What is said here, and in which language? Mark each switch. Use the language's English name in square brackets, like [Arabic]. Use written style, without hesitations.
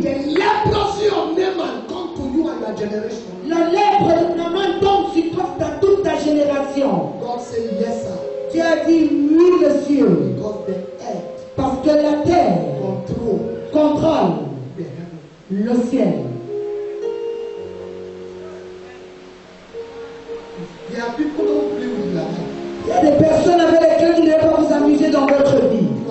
[English] The leprosy of Naaman come to you and your generation. [French] La lèpre de Naaman tombe sur toi dans toute ta génération. [English] God said yes, sir. [French] Tu as dit oui, monsieur. [English] Because the earth. [French] Parce que la terre. [English] Control. [French] Contrôle. [English] The heaven. [French] Le ciel. [English] There are people who play with their life. [French] Il y a des personnes avec lesquelles vous n'allez pas vous amuser dans votre vie.